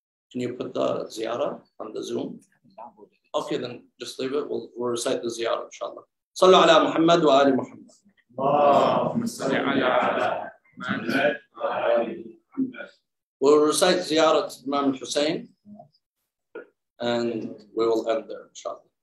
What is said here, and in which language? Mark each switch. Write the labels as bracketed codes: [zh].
[en] Can you put the ziyara on the Zoom? Okay, then just leave it. We'll recite the ziyara, inshallah. [ar] صلوا على محمد وآل محمد. اللهم صل على محمد وآل محمد. [en] We'll recite زيارة الإمام الحسين and we will end there, inshallah.